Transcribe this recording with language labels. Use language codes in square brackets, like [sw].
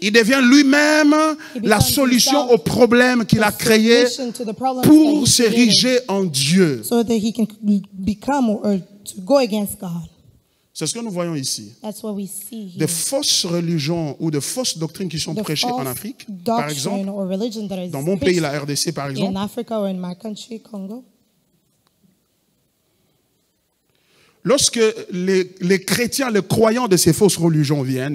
[fr] il devient lui-même la solution au problème qu'il a créé pour s'ériger en Dieu. [en] So that he can become or to go against God. [fr] C'est ce que nous voyons ici. [en] That's what we see here. [fr] De fausses religions ou de fausses doctrines qui sont [en] the [fr] prêchées en Afrique, par exemple, dans mon pays, la RDC, par exemple, [en] in Africa or in my country, Congo. [fr] Lorsque les chrétiens, les croyants de ces fausses religions viennent